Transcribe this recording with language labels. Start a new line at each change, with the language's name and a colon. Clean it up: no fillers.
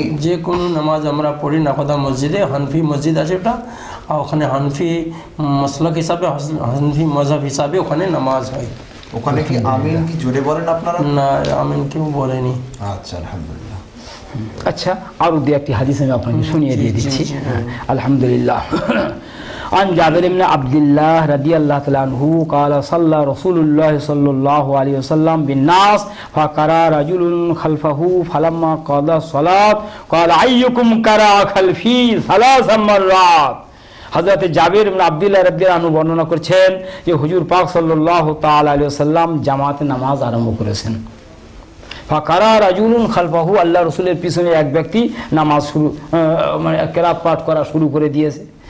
Bangla: যে কোনো নামাজ আমরা পড়ি নাখোদা মসজিদে, হানফি মসজিদ আছে ওটা, ওখানে হানফি মসলক হিসাবে, হানফি মজহাব হিসাবে ওখানে নামাজ হয়, ওখানে কি আমিন কি জুড়ে বলেন আপনারা? না, আমিন কেউ বলেনি। আচ্ছা আলহামদুলিল্লাহ। আচ্ছা, আরো দু একটি হাদিস আমি আপনাকে শুনিয়ে দিয়ে দিচ্ছি আলহামদুলিল্লাহ।
Arabic: عن جابر بن عبد الله رضي الله تعالى عنه قال صلى رسول الله صلى الله عليه وسلم بالناس فقرأ رجل خلفه فلما قضى الصلاة قال أيكم قرأ خلفي ثلاث مرات।
Bangla: হযরত জাবির ইবনে আব্দুল্লাহ রাদিয়াল্লাহু আনহু বর্ণনা করছেন যে হুজুর পাক সাল্লাল্লাহু তাআলা আলাইহি ওয়াসাল্লাম জামাতে নামাজ আরম্ভ করেছেন,
Arabic: ফাকারা রাজুলুন খালফাহু,
Bangla: আল্লাহ রসুলের পিছনে এক ব্যক্তি নামাজ শুরু মানে কেরাত পাঠ করা শুরু করে দিয়েছে।